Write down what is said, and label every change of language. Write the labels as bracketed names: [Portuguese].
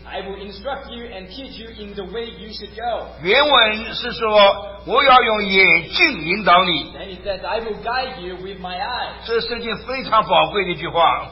[English] I will instruct you and teach you in the way you should go. [Chinese] 原文是说，我要用眼睛引导你。 [English] And it says, I will guide you with my eyes. [Chinese] 这是一句非常宝贵的一句话。